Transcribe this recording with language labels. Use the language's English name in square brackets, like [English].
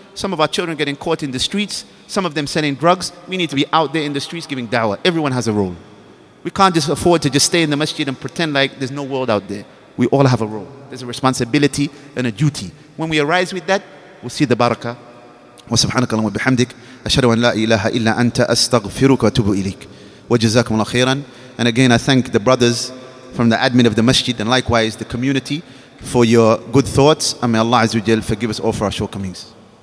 [English] Some of our children getting caught in the streets. Some of them selling drugs. We need to be out there in the streets giving da'wah. Everyone has a role. We can't just afford to just stay in the masjid and pretend like there's no world out there. We all have a role. There's a responsibility and a duty. When we arise with that, we'll see the barakah. [Arabic] وسبحانك اللهم وبحمدك أشهد أن لا إله إلا أنت أستغفرك وأتوب إليك وجزاكم الله خيرا. [English] And again, I thank the brothers from the admin of the masjid and likewise the community for your good thoughts. And may Allah Azza wa Jal forgive us all for our shortcomings.